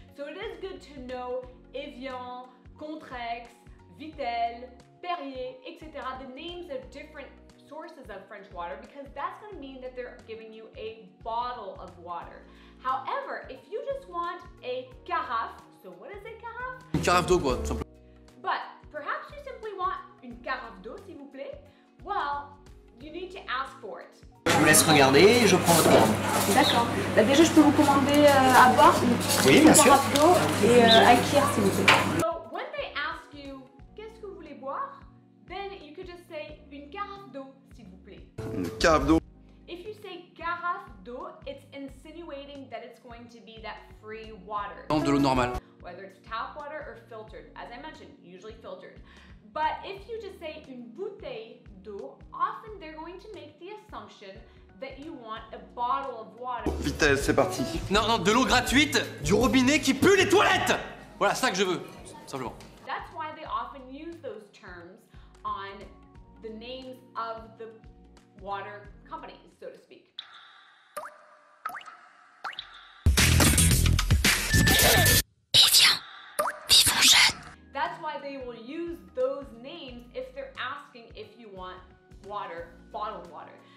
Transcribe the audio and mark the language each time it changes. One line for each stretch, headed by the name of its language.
English: So it is good to know Evian, Contrex, Vitel, Perrier, etc., the names of different sources of French water, because that's going to mean that they're giving you a bottle of water. However, if you just want a carafe, so what is a carafe?
French: Une carafe d'eau, quoi, tout simplement.
English: But perhaps you simply want
French: une carafe d'eau, s'il vous plaît.
English: Well, you need to ask for it.
French: Je vous laisse regarder et je prends votre commande. D'accord. Bah, déjà, je peux vous commander à boire. Oui, une bien sûr. Carafe d'eau et à cuire, s'il vous plaît.
English: So, when they ask you,
French: qu'est-ce que vous voulez boire?
English: Then you could just say,
French: une carafe d'eau, s'il vous plaît. Une carafe d'eau.
English: If you say carafe d'eau, it's insinuating that it's going to be that free water.
French: Non, de l'eau normale.
English: Whether it's tap water or filtered, as I mentioned, usually filtered. But if you just say
French: une bouteille d'eau,
English: often they're going to make the assumption that you want a bottle of water.
French: Vitel, c'est parti. Non, non, de l'eau gratuite, du robinet qui pue les toilettes. Voilà, ça que je veux, simplement.
English: That's why they often use those terms on the names of the water companies, so to speak. That's why they will use those names if they're asking if you want water, bottled water.